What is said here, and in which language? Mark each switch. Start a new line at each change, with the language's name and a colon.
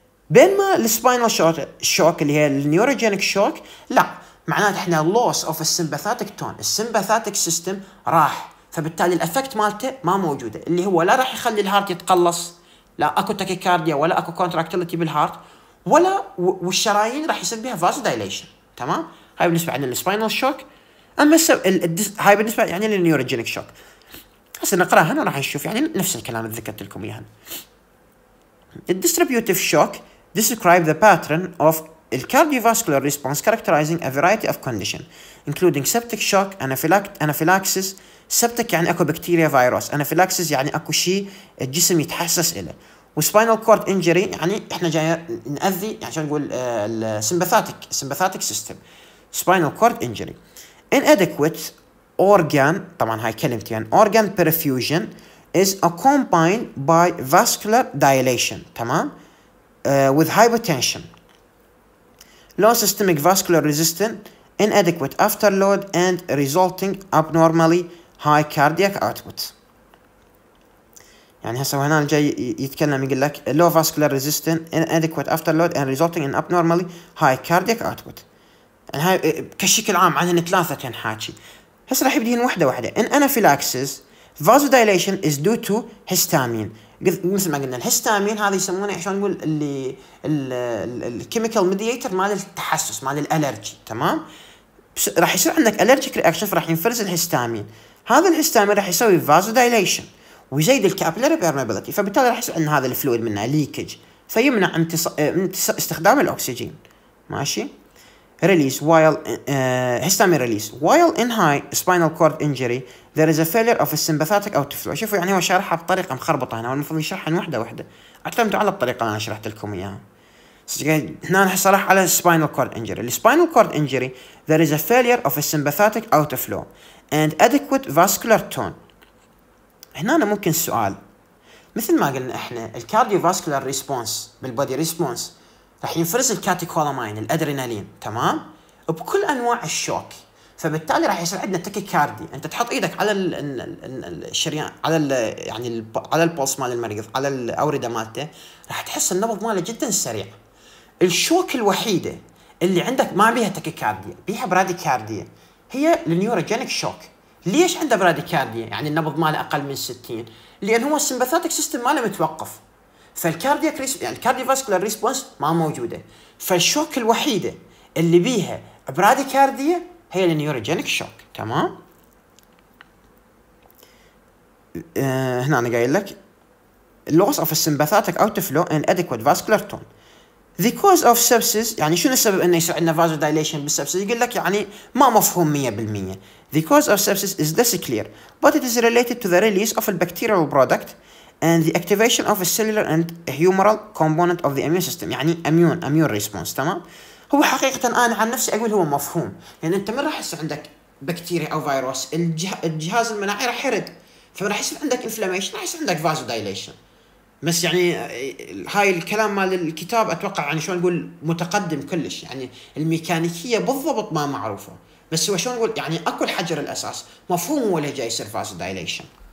Arabic: بينما السباينال شوك اللي هي النيوروجينيك شوك لا، معناته احنا لوس اوف السمباثاتيك تون، السمباثاتيك سيستم راح، فبالتالي الافكت مالته ما موجوده، اللي هو لا راح يخلي الهارت يتقلص، لا اكو تاكيكارديا ولا اكو كونتراكتيليتي بالهارت، ولا والشرايين راح يصير بها فاز دايليشن. تمام، هاي بالنسبه عندنا السباينال شوك. اما هاي بالنسبه يعني للنيوروجينيك شوك، هسه نقراها هنا راح نشوف يعني نفس الكلام اللي ذكرت لكم اياه.
English: Distributive shock describe the pattern of cardiovascular response characterizing a variety of condition including septic shock, anaphylaxis.
Arabic: septic يعني اكو بكتيريا فيروس، anaphylaxis يعني اكو شيء الجسم يتحسس له، وspinal cord injury يعني احنا جاي نأذي يعني شو نقول
English: sympathetic system spinal cord injury. inadequate organ،
Arabic: طبعا هاي كلمتين يعني
English: organ perfusion is accompanied by vascular dilation. تمام؟ with hypotension. low systemic vascular resistance, inadequate afterload and resulting abnormally high cardiac output.
Arabic: يعني هسه هنا الجاي يتكلم يقول لك
English: low vascular resistance, inadequate afterload and resulting in abnormally high cardiac output.
Arabic: يعني هاي كشكل عام عن ثلاثة تنحاكي. هسه راح يبدين واحدة واحدة.
English: in anaphylaxis vasodilation is due to histamine.
Arabic: مثل ما قلنا الهستامين هذا يسمونه عشان نقول اللي الكيميكال ميدييتر مال التحسس مال الالرجي. تمام، راح يصير عندك الالرجيك رياكشن فراح ينفرز الهستامين، هذا الهستامين راح يسوي vasodilation ويزيد الكابلري بيرميبيليتي، فبالتالي راح يصير ان هذا الفلويد منه ليكج فيمنع استخدام الاكسجين.
English: ماشي، release while histamine release while in high spinal cord injury there is a failure of a sympathetic outflow.
Arabic: شوفوا يعني هو شرحها بطريقه مخربطه هنا، والمفروض يشرحها واحده واحده، اعتمدوا على الطريقه اللي انا شرحت لكم اياها. هنا صراحة على
English: spinal cord injury، spinal cord injury there is a failure of a sympathetic outflow and adequate vascular tone.
Arabic: هنا أنا ممكن سؤال، مثل ما قلنا احنا الكارديوفاسكولار ريسبونس بالبودي ريسبونس راح ينفرز الكاتيكولاماين الادرينالين، تمام، بكل انواع الشوك، فبالتالي راح يصير عندنا تاكيكاردي. انت تحط ايدك على الشريان على يعني على البولس مال المريض على الاورده مالته راح تحس النبض ماله جدا سريع. الشوك الوحيده اللي عندك ما بيها تاكيكاردي بيها برادكاردي هي النيوروجينيك شوك. ليش عنده برادكاردي يعني النبض ماله اقل من 60؟ لان هو السمباثاتيك سيستم ماله متوقف، فالكاردياك يعني الكارديوفاسكولار ريسبونس ما موجوده، فالشوك الوحيده اللي بيها برادكاردية هي النيوروجينيك شوك.
English: تمام،
Arabic: هنا انا قايل لك
English: loss of a sympathetic outflow and adequate vascular tone the cause of sepsis.
Arabic: يعني شنو السبب انه يصير عندنا vasodilation بالسبسس؟ يقول لك يعني ما مفهوم 100%.
English: the cause of sepsis is less clear but it is related to the release of a bacterial product and the activation of a cellular and humoral component of the immune system. يعني immune response.
Arabic: تمام، هو حقيقة أنا عن نفسي أقول هو مفهوم، يعني أنت من راح يصير عندك بكتيريا أو فيروس الجهاز المناعي راح يرد، فراح يصير عندك inflammation، راح يصير عندك vasodilation. بس يعني هاي الكلام مال الكتاب أتوقع يعني شلون نقول متقدم كلش، يعني الميكانيكية بالضبط ما معروفة، بس هو شلون نقول يعني أكو الحجر الأساس مفهوم ولا جاي يصير vasodilation.